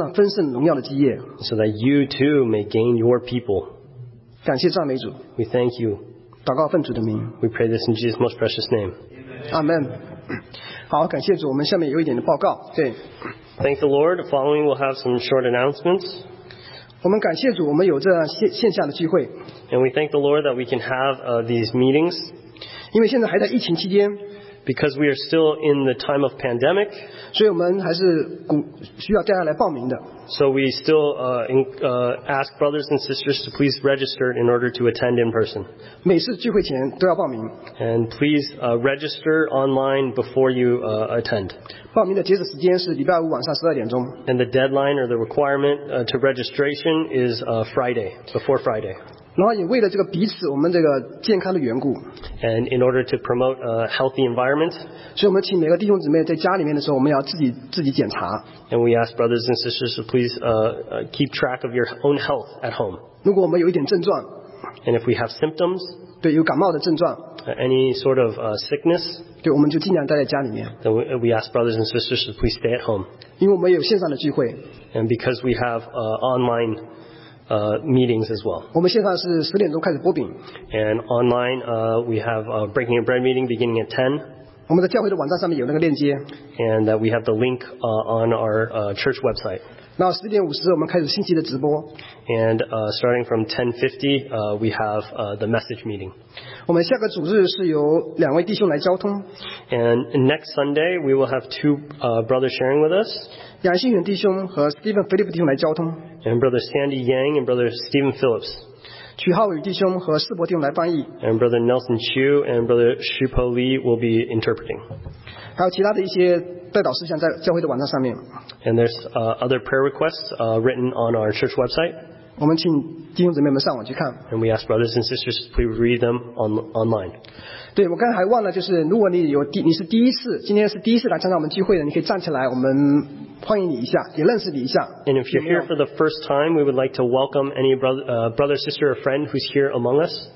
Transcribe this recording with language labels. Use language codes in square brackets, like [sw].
[en] So that you too may gain your people. We thank you. We pray this in Jesus' most precious name. Amen. [zh] 好，感谢主，我们下面有一点的报告。对。 [en] Thank the Lord. Following, we'll have some short announcements. [zh] 我们感谢主，我们有这线下的聚会。 [en] And we thank the Lord that we can have these meetings. [zh] 因为现在还在疫情期间。 [en] Because we are still in the time of pandemic. [zh] 所以我们还是需要大家来报名的。 [en] So we still ask brothers and sisters to please register in order to attend in person. [zh] 每次聚会前都要报名。 [en] And please register online before you attend. [zh] 报名的截止时间是礼拜五晚上十二点钟。 [en] And the deadline or the requirement to registration is Friday, before Friday. [zh] 然后也为了这个彼此我们这个健康的缘故 [en] and in order to promote a healthy environment [zh] 所以我们请每个弟兄姊妹在家里面的时候我们要自己检查 [en] and we ask brothers and sisters to please keep track of your own health at home [zh] 如果我们有一点症状 [en] and if we have symptoms [zh] 对有感冒的症状 [en] any sort of sickness [zh] 对我们就尽量待在家里面 [en] then we ask brothers and sisters to please stay at home [zh] 因为我们有线上的聚会 [en] and because we have onlineMeetings as well. [zh] 我们线上是十点钟开始播饼。 [en] And online, we have a breaking of bread meeting beginning at 10. [zh] 我们的教会的网站上面有那个链接。 [en] And that we have the link on our church website. [zh] 那十点五十我们开始星期的直播。 [en] And starting from 10:50, we have the message meeting. [zh] 我们下个主日是由两位弟兄来交通。 [en] And next Sunday, we will have two brothers sharing with us. [zh] 杨新远弟兄和 Stephen Philip 弟兄来交通 [en] and Brother Sandy Yang and Brother Stephen Phillips [zh] 曲浩宇弟兄和世博弟兄来翻译 [en] and Brother Nelson Chu and Brother Shupo Lee will be interpreting [zh] 还有其他的一些代祷事项在教会的网站上面 [en] and there's other prayer requests written on our church website [zh] 我们请弟兄姊妹们上网去看 [en] and we ask brothers and sisters to please read them online [zh] 对我刚才还忘了就是如果你是第一次今天是第一次来参加我们聚会的你可以站起来我们欢迎你一下，也认识你一下。 [en] And if you're here for the first time, we would like to welcome any brother, sister, or friend who's here among us.